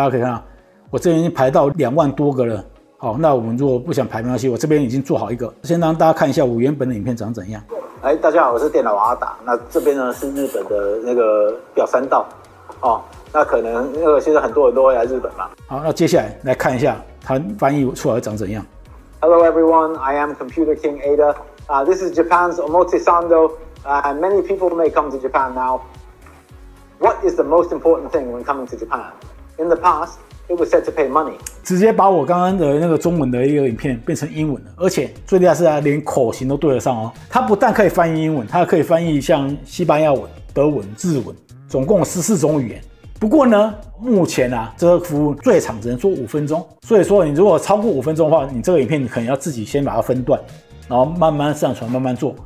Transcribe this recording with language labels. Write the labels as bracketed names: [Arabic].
[Chinese] 大家可以看到我这边已经排到20000多个了。好，那我们如果不想排没关系，我这边已经做好一个，先让大家看一下我原本的影片长怎样。哎，大家好，我是电脑王阿达。那这边呢是日本的那个表参道，哦，那可能那个现在很多人都会来日本嘛。好，那接下来来看一下他翻译出来长怎样。 [English] Hello everyone, I am Computer King Ada. This is Japan's Omotesando. And many people may come to Japan now. What is the most important thing when coming to Japan? In the past, it was set to pay money. [Chinese] 直接把我刚刚的那个中文的一个影片变成英文了，而且最厉害是他连口型都对得上哦。他不但可以翻译英文，他还可以翻译像西班牙文、德文、日文，总共有14种语言。不过呢，目前啊，这个服务最长只能做5分钟，所以说你如果超过5分钟的话，你这个影片你可能要自己先把它分段，然后慢慢上传，慢慢做。